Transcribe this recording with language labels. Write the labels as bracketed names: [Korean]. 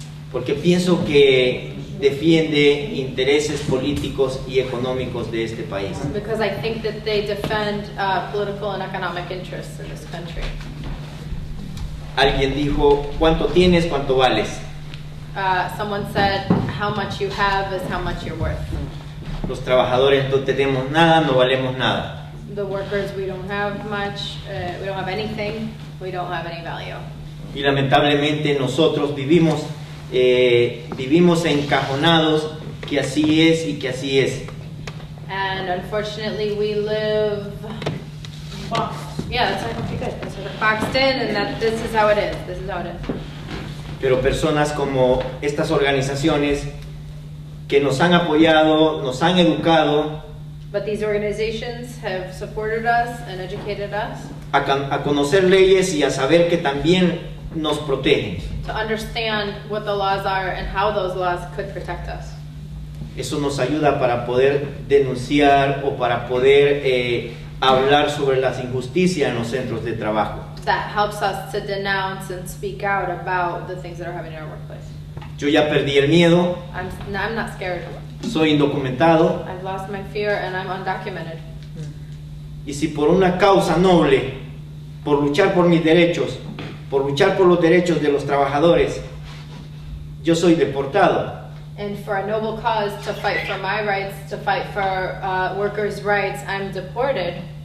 [Spanish] porque pienso que defiende intereses políticos y económicos de este país. [English] Because I think that they defend political and economic interests in this country. [Spanish] Alguien dijo, ¿cuánto tienes, cuánto vales? [English] Someone said, how much you have is how much you're worth. [Spanish] Los trabajadores no tenemos nada, no valemos nada. [English] The workers, we don't have much, we don't have anything, we don't have any value. [Spanish] Y lamentablemente nosotros vivimos vivimos encajonados que así es y que así es. [English] And unfortunately we live boxed. Yeah, that's not good. It's boxed in and that this is how it is. This is how it is. [Spanish] Pero personas como estas organizaciones que nos han apoyado, nos han educado. [English] But these organizations have supported us and educated us. [Spanish] A conocer leyes y a saber que también nos protegen. [English] To understand what the laws are and how those laws could protect us. [Spanish] Eso nos ayuda para poder denunciar o para poder hablar sobre las injusticias en los centros de trabajo. [English] That helps us to denounce and speak out about the things that are happening in our workplace. [Spanish] Yo ya perdí el miedo. [English] I'm not scared anymore. [Spanish] Soy indocumentado. [English] I've lost my fear and I'm undocumented. [Spanish] Y si por una causa noble, por luchar por mis derechos, por luchar por los derechos de los trabajadores, yo soy deportado. [English] And for a noble cause, to fight for my rights, to fight for workers' rights, I'm deported.